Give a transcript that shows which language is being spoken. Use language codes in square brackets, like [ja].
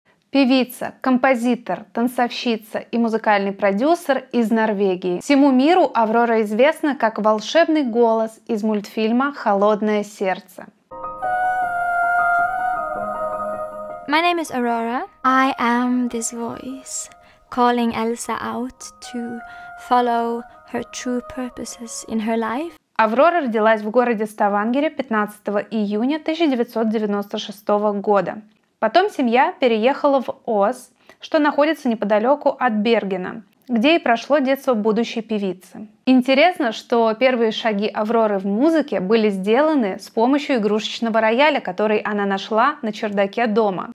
[ru] Певица, композитор, танцовщица и музыкальный продюсер из Норвегии. Всему миру Аврора известна как волшебный голос из мультфильма «Холодное сердце». [en] My name is Aurora. I am this voice, calling Elsa out to follow her true purposes in her life. [ru] Аврора родилась в городе Ставангере 15 июня 1996 года. Потом семья переехала в Ос, что находится неподалеку от Бергена, где и прошло детство будущей певицы. Интересно, что первые шаги Авроры в музыке были сделаны с помощью игрушечного рояля, который она нашла на чердаке дома.